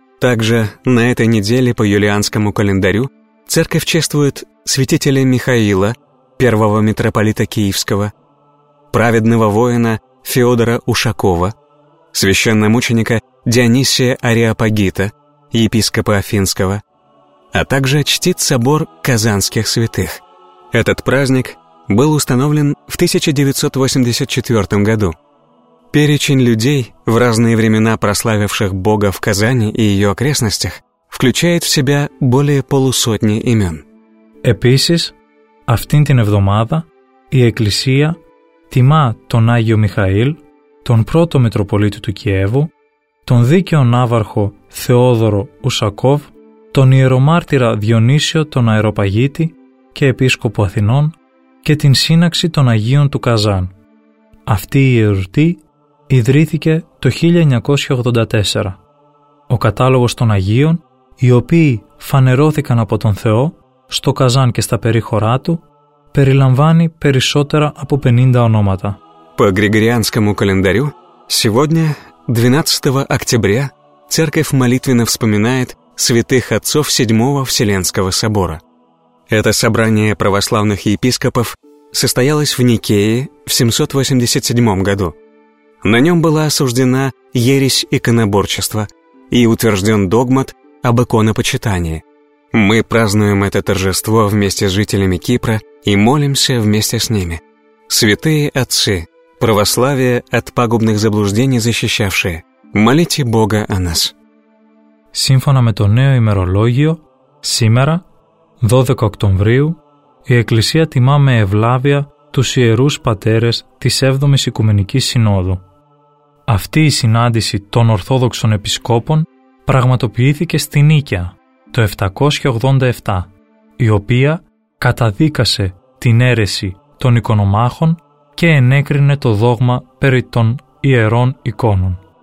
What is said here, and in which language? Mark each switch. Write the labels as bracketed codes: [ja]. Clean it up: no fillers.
[ru] Также на этой неделе по юлианскому календарю церковь чествует святителя Михаила, первого митрополита Киевского, праведного воина Феодора Ушакова, священномученика Дионисия Ареопагита, епископа Афинского, а также чтит собор казанских святых. Этот праздник был установлен в 1984 году. Перечень людей, в разные времена прославивших Бога в Казани и ее окрестностях, включает в себя более полусотни имен. [el] Επίσης, αυτήν την εβδομάδα η Εκκλησία τιμά τον Άγιο Μιχαήλ, τον πρώτο Μητροπολίτη του Κιέβου, τον δίκαιο Ναύαρχο Θεόδωρο Ουσακόβ, τον ιερομάρτυρα Διονύσιο τον Αεροπαγίτη και επίσκοπο Αθηνών και την σύναξη των Αγίων του Καζάν. Αυτή η εορτή ιδρύθηκε το 1984. Ο κατάλογος των Αγίων, οι οποίοι φανερώθηκαν από τον Θεό στο Καζάν και στα περίχωρά του, περιλαμβάνει περισσότερα από 50 ονόματα. [ru] По Григорианскому календарю, сегодня, 12 октября, Церковь молитвенно вспоминает святых отцов VII Вселенского собора. Это собрание православных епископов состоялось в Никее в 787 году. На нем была осуждена ересь иконоборчества и утвержден догмат об иконопочитании. Мы празднуем это торжество вместе с жителями Кипра и молимся вместе с ними. Святые отцы, православие от пагубных заблуждений защищавшие, молите Бога о нас. [el] Σύμφωνα με το νέο ημερολόγιο, σήμερα, 12 Οκτωβρίου, η Εκκλησία τιμά με ευλάβεια τους ιερούς πατέρες της 7ης Οικουμενικής Συνόδου. Αυτή η συνάντηση των Ορθόδοξων Επισκόπων πραγματοποιήθηκε στη Νίκαια το 787, η οποία καταδίκασε την αίρεση των εικονομάχων και ενέκρινε το δόγμα περί των ιερών εικόνων.